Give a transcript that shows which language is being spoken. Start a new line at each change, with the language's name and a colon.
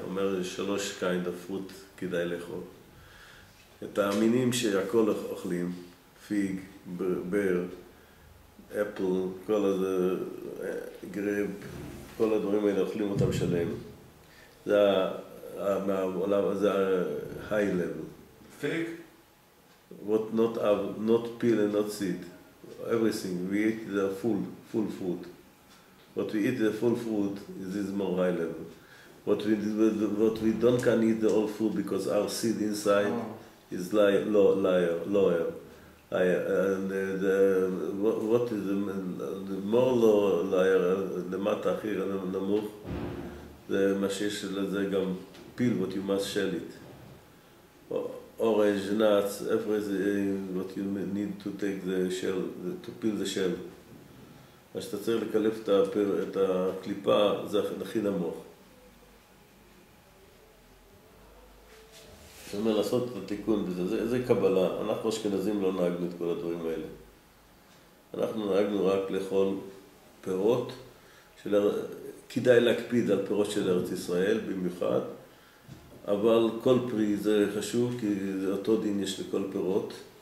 Hebrew: אומר, יש שלוש
English: קיינד הפרוט
Hebrew: כדאי לאכול. את המינים שהכל אוכלים,
English: פיג, בר, אפל,
Hebrew: כל הזה,
English: גרב,
Hebrew: כל הדברים האלה אוכלים אותם שלם. זה מהעולם, זה ה-
English: high level. פיג? What not have, not peel and not seed. Everything we eat is a full fruit. What we eat is a full fruit, is more high level. What we don't can eat the whole food because our seed inside is lower. What is the more low layer,
Hebrew: למטה הכי נמוך, זה מה שיש לזה גם
English: peel, what you must shell it. Orange, nuts, everything, what you need to take the shell, to peel the shell.
Hebrew: מה שאתה צריך לקלף את הקליפה, זה הכי נמוך. זאת אומרת, לעשות את התיקון בזה, זה קבלה. אנחנו אשכנזים לא נהגנו את כל הדברים האלה. אנחנו נהגנו רק לאכול פירות, כדאי להקפיד על פירות של ארץ ישראל במיוחד, אבל כל פרי זה חשוב, כי זה אותו דין יש לכל פירות.